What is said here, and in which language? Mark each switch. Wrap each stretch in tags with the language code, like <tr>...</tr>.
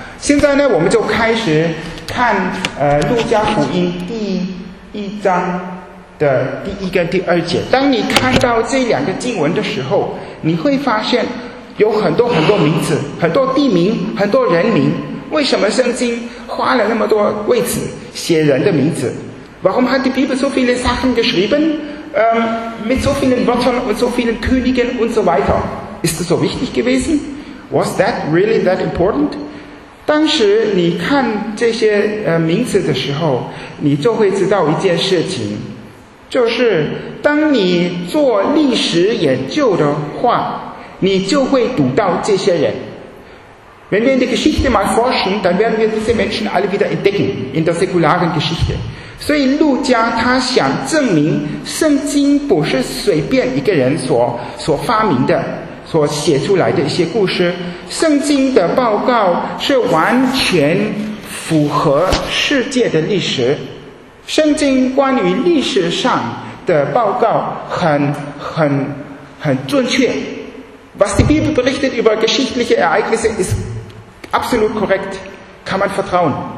<zh>现在呢，我们就开始看路加福音第一章的第一跟第二节。当你看到这两个经文的时候，你会发现有很多很多名字，很多地名，很多人名。为什么圣经花了那么多位置写人的名字？</zh> <de>Warum hat die Bibel so viele Sachen geschrieben? Mit so vielen Wörtern und so vielen Königen und so weiter. Ist das so wichtig gewesen?</de> <en>Was that really that important?</en> <zh>当时你看这些名字的时候，你就会知道一件事情，就是当你做历史研究的话，你就会读到这些人。</zh> <de>Wenn wir in die Geschichte mal forschen, dann werden wir diese Menschen alle wieder entdecken in der säkularen Geschichte.</de> <zh>所以路加他想证明圣经不是随便一个人所发明的。所写出来的一些故事，圣经的报告是完全符合世界的历史。圣经关于历史上的报告很准确。 Was die Bibel berichtet über geschichtliche Ereignisse ist absolut korrekt, kann man vertrauen.</zh>